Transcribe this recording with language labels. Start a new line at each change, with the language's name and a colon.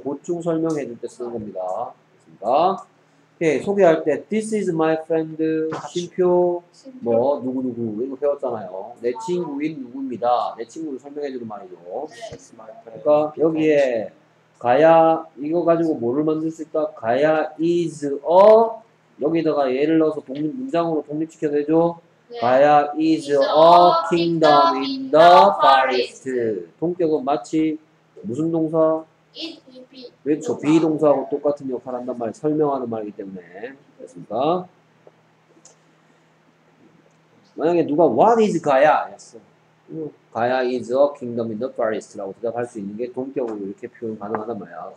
Korean: 보충 설명 해줄 때 쓰는 겁니다. 됐습니다. 오케이 소개할 때
English: this is my friend
Korean: 신표 뭐 누구 누구 이거 배웠잖아요. 내 친구인 누구입니다. 내 친구를 설명해주는 말이죠. 그러니까 여기에 가야 이거 가지고 뭐를 만들 수 있다. 가야
English: is a
Korean: 여기다가 예를 넣어서 독립 문장으로 독립시켜 내죠.
English: 가야 is a kingdom in the far east.
Korean: 동격은 마치 무슨 동사?
English: It,
Korean: 그렇죠. 비동사하고 똑같은 역할을 한단 말, 설명하는 말이기 때문에. 됐습니까? 만약에 누가
English: What is
Korean: 가야? 했어. 가야
English: is a kingdom in the forest
Korean: 라고 대답할 수 있는 게 동격으로 이렇게 표현 가능하단 말이야.